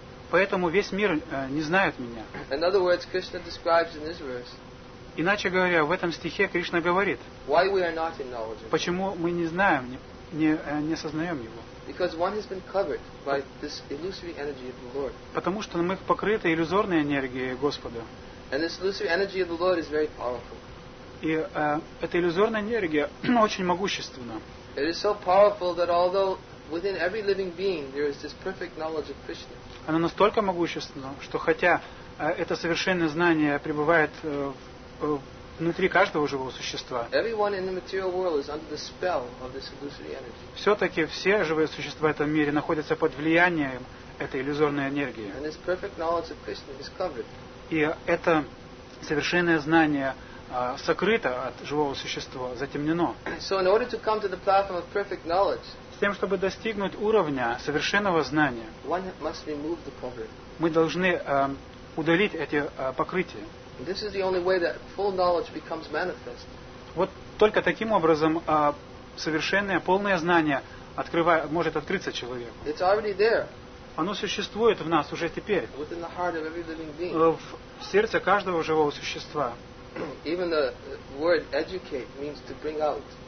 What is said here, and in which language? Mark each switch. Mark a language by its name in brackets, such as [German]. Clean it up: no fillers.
[Russian] Поэтому весь мир не знает меня. [English] In other words, Krishna describes in this verse. [Russian] Иначе говоря, в этом стихе Кришна говорит. [English] Why we are not in knowledge? [Russian] Почему мы не знаем, не осознаем его. [English] Because one has been covered by this illusory energy of the Lord. [Russian] Потому что мы покрыты иллюзорной энергией Господа. [English] And this illusory energy of the Lord is very powerful. [Russian] И эта иллюзорная энергия очень могущественна. [English] It is so powerful that although within every living being there is this perfect knowledge of Krishna. [Russian] Она настолько могущественна, что хотя это совершенное знание пребывает внутри каждого живого существа. [English] Everyone in the material world is under the spell of this illusory energy. [Russian] Все-таки все живые существа в этом мире находятся под влиянием этой иллюзорной энергии. [English] And this perfect knowledge of Krishna is covered. [Russian] И это совершенное знание сокрыто от живого существа, затемнено. [English] So in order to come to the platform of perfect knowledge, [Russian] с тем, чтобы достигнуть уровня совершенного знания, [English] one must remove the covering. [Russian] Мы должны удалить эти покрытия. [English] This is the only way that full knowledge becomes manifest. [Russian] Вот только таким образом совершенное, полное знание может открыться человеку. [English] It's already there. [Russian] Оно существует в нас уже теперь. [English] Within the heart of every living being. [Russian] В сердце каждого живого существа. [English] Even the word educate means to bring out.